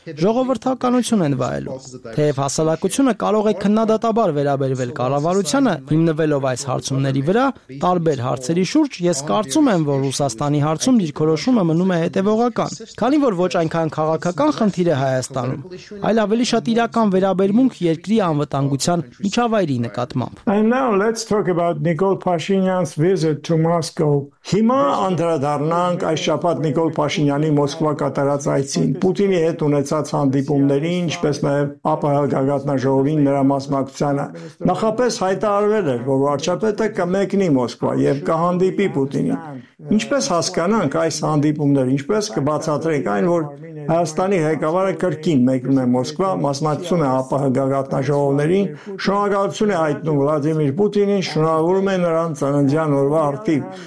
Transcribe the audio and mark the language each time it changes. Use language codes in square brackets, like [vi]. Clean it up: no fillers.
[hy] ժողովրդականություն են վայելում։ Թեև հասարակությունը կարող է քննադատաբար վերաբերվել կառավարությանը, հիմնվելով այս հարցումների վրա, տարբեր հարցերի շուրջ, ես կարծում եմ, որ Ռուսաստանի հարցում դիրքորոշումը մնում է հետևողական, քանի որ ոչ այնքան քաղաքական խնդիր է Հայաստանում, այլ ավելի շատ իրական վերաբերմունք երկրի անվտանգության միջավայրի նկատմամբ։ [en] And now let's talk about Nikol Pashinyan's visit to Moscow. [hy] Հիմա անդրադառնանք այս շաբաթ Նիկոլ Փաշինյանի Մոսկվա կատարած այցին, Պուտինի հետ ունեցած հանդիպումների, ինչպես նաև ԱՊՀ գագաթնաժողովին նրա մասնակցությանը։ Նախապես հայտարարվել էր, որ վարչապետը կմեկնի Մոսկվա եւ կհանդիպի Պուտինին։ Ինչպես հասկանանք այս հանդիպումները, ինչպես կբացատրենք այն, որ Հայաստանի ղեկավարը կրկին մեկնում է Մոսկվա, մասնակցում է ԱՊՀ գագաթնաժողովներին, շնորհակալություն է հայտնում Վլադիմիր Պուտինին, շնորհավորում է նրան ծննդյան օրվա արդի։